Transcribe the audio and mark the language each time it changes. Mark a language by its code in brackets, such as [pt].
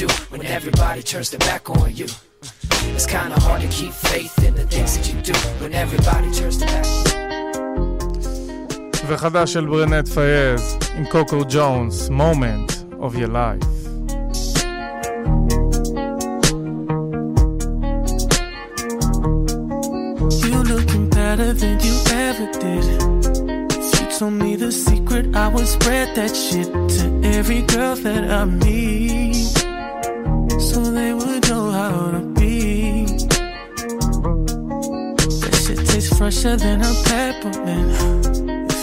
[en] When everybody turns their back on you, it's kind of hard to keep faith in the things that you do. When everybody turns their back. [he] וחדש של ברנט פייז עם קוקו ג'ונס, Moment of Your Life. [en] You looking better than you ever did. You told me the secret, I would spread that shit to every girl that I meet. So they would know how to be. That shit tastes fresher than a peppermint.